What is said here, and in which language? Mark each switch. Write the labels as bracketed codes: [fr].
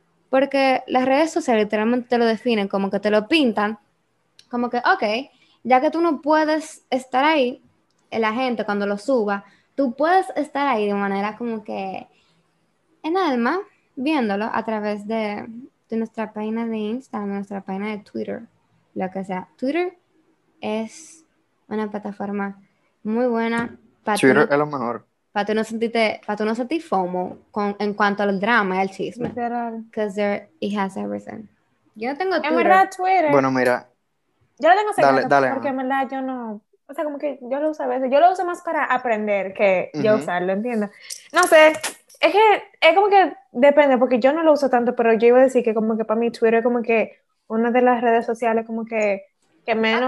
[es] porque las redes sociales literalmente te lo definen, como que te lo pintan, como que, ok, ya que tú no puedes estar ahí, la gente cuando lo suba, tú puedes estar ahí de manera como que, en alma, viéndolo a través de nuestra página de Instagram, nuestra página de Twitter, lo que sea. Twitter es una plataforma muy buena. Twitter es lo mejor. para tú no sentirte, para tú no sentir FOMO con, en cuanto al drama y al chisme. [en] Because it has everything. [es] Yo no tengo Twitter. En verdad, Twitter. Bueno, mira. Yo lo tengo secreto porque en verdad yo no... O sea, como que yo lo uso a veces. Yo lo uso más para aprender que yo usarlo, ¿entiendes? No sé. Es que es como que depende, porque yo no lo uso tanto, pero yo iba a decir que como que para mí Twitter es como que una de las redes sociales como que menos...